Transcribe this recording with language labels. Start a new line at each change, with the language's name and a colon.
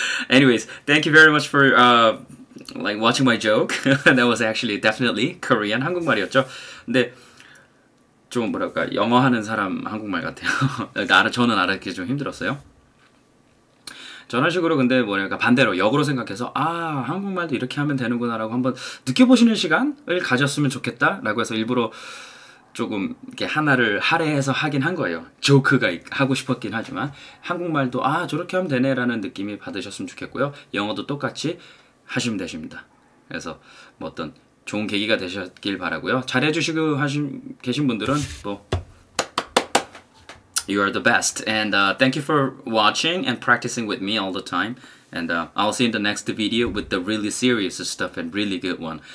English: Anyways, thank you very much for like watching my joke. That was actually definitely Korean,
Korean: 한국말이었죠. 근데 좀 뭐랄까 영어 하는 사람 한국말 같아요. 저는 알아듣기 좀 힘들었어요. 저런 식으로 근데 뭐랄까 반대로 역으로 생각해서 아 한국말도 이렇게 하면 되는구나라고 한번 느껴보시는 시간을 가졌으면 좋겠다라고 해서 일부러 조금 이렇게 하나를 할애해서 하긴 한 거예요. 조크가 하고 싶었긴 하지만 한국말도 아 저렇게 하면 되네라는 느낌이 받으셨으면 좋겠고요. 영어도 똑같이 하시면 되십니다. 그래서 뭐 어떤 좋은 계기가 되셨길 바라고요. 잘해주시고 계신 분들은 뭐
English: You are the best. And thank you for watching and practicing with me all the time. And I'll see you in the next video with the really serious stuff and really good one.